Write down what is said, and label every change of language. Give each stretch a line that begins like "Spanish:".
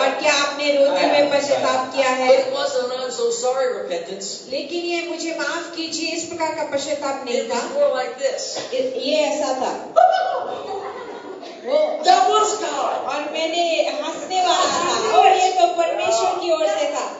Hindi: और क्या आपने रोते हुए पश्चाताप किया है?
English: It wasn't I'm so sorry repentance.
Hindi: लेकिन ये मुझे माफ कीजिए इस प्रकार का पश्चाताप नहीं था.
English: It was more like this.
Hindi: ये ऐसा था.
English: That was God.
Hindi: और मैंने हंसने वाला था. और ये तो परमेश्वर की ओर से था.